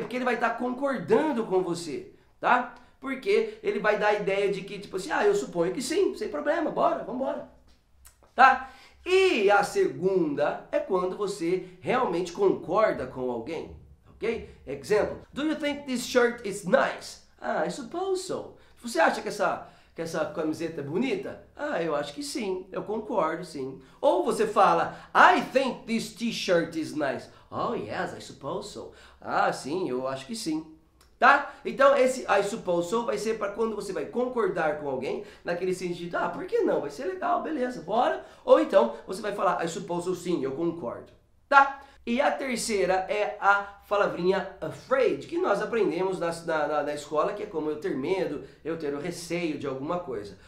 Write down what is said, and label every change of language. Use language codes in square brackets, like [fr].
[pt] Porque ele vai estar concordando com você, tá? Porque ele vai dar a ideia de que, tipo assim, ah, eu suponho que sim, sem problema, bora, vambora. Tá? E a segunda é quando você realmente concorda com alguém, ok? Exemplo, [en] do you think this shirt is nice? Ah, I suppose so. [pt] Você acha que essa camiseta é bonita? Ah, eu acho que sim, eu concordo, sim. Ou você fala, [en] I think this t-shirt is nice. Oh, yes, I suppose so. [pt] Ah, sim, eu acho que sim. Tá? Então esse [en] I suppose so [pt] vai ser para quando você vai concordar com alguém, naquele sentido, ah, por que não? Vai ser legal, beleza, bora. Ou então você vai falar, [en] I suppose so [pt] sim, eu concordo. Tá? E a terceira é a palavrinha afraid, que nós aprendemos na escola, que é como eu ter medo, eu ter o receio de alguma coisa.